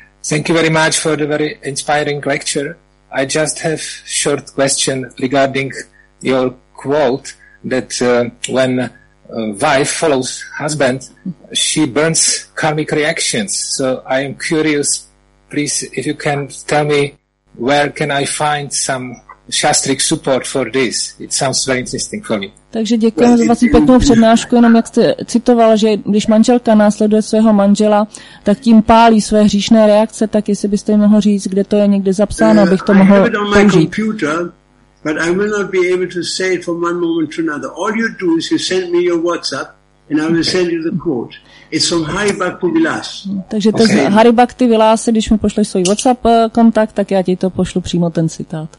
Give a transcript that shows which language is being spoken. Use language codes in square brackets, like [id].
[en] Thank you very much for the very inspiring lecture. I just have short question regarding your quote that when wife follows husband, she burns karmic reactions. So I am curious, please, if you can tell me where can I find some Shastric support for this. It sounds very interesting for me. [cs] Takže děkuji za vaši pěknou přednášku, jenom jak jste citoval, že když manželka následuje svého manžela, tak tím pálí své hříšné reakce, tak jestli byste jim mohl říct, kde to je někde zapsáno, abych to mohl použít. [en] I have it on my computer, but I will not be able to say it from one moment to another. All you do is you send me your WhatsApp and I will send you the quote. It's from Hari Bhakti Vilas. [cs] Takže to je Hari Bhakti Vilas, když mi pošleš svůj WhatsApp kontakt, tak já ti to pošlu přímo ten citát.